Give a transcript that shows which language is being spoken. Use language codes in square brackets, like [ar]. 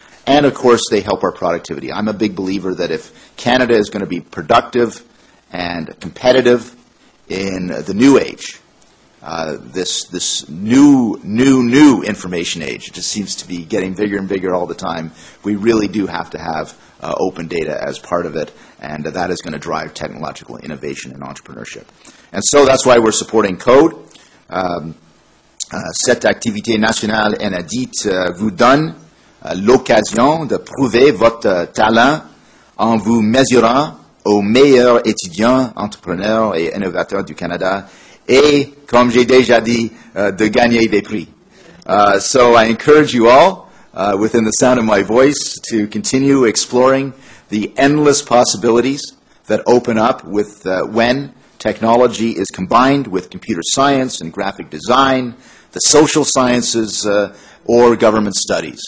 [en] And, of course, they help our productivity. I'm a big believer that if Canada is going to be productive and competitive in the new age, this new information age, it just seems to be getting bigger and bigger all the time, we really do have to have open data as part of it, and that is going to drive technological innovation and entrepreneurship. And so that's why we're supporting Code. [fr] Cette activité nationale inédite vous donne l'occasion de prouver votre talent en vous mesurant aux meilleurs étudiants, entrepreneurs et innovateurs du Canada, et, comme j'ai déjà dit, de gagner des prix. [en] So I encourage you all, within the sound of my voice, to continue exploring the endless possibilities that open up with when technology is combined with computer science and graphic design, the social sciences, or government studies.